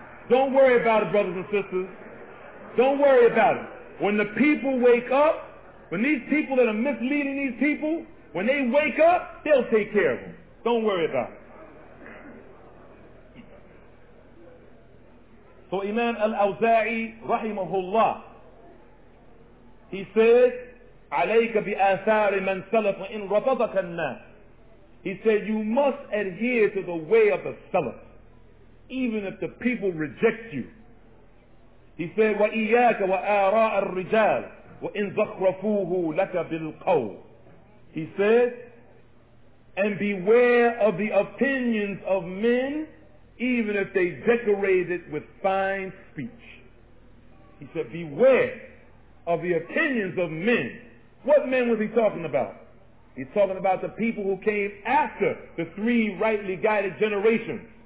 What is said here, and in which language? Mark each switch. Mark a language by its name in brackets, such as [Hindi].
[English] Don't worry about it, brothers and sisters. Don't worry about it. When the people wake up, when these people that are misleading these people, when they wake up, they'll take care of them. Don't worry about it. So Imam Al-Awza'i, rahimahullah, he said, [Arabic] عَلَيْكَ بِآثَارِ مَنْ سَلَفْ وَإِنْ رَفَضَكَ النَّاسِ. [English] He said, you must adhere to the way of the Salaf, even if the people reject you. He said, [Arabic] وَإِيَّاكَ وَآرَاءَ الرِّجَالِ وَإِنْ زَخْرَفُوهُ لَكَ بِالْقَوْلِ. [English] He said, and beware of the opinions of men, even if they decorate it with fine speech. He said, beware of the opinions of men. What men was he talking about? He's talking about the people who came after the three rightly guided generations.